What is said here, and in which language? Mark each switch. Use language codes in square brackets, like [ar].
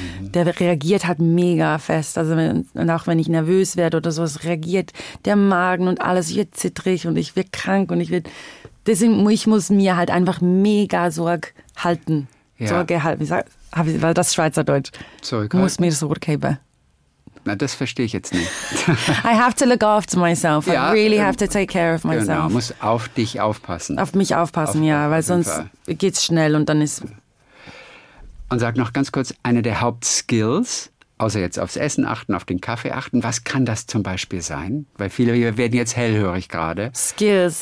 [de] der reagiert halt mega fest, also wenn ich nervös werde oder sowas, reagiert der Magen und alles, ich werde zittrig und ich werde krank und deswegen muss ich mir halt einfach mega Sorge halten, weil das Schweizerdeutsch. Zurück. Muss mir das Wort geben. Na, das verstehe ich jetzt nicht. [en] I have to look after myself. [de] Ja, [en] I really have to take care of myself. [de] Genau, muss auf dich aufpassen. Auf mich aufpassen, weil sonst geht's schnell und dann ist... Und sag noch ganz kurz, eine der Hauptskills, außer jetzt aufs Essen achten, auf den Kaffee achten. Was kann das zum Beispiel sein? Weil viele werden jetzt hellhörig gerade. Skills.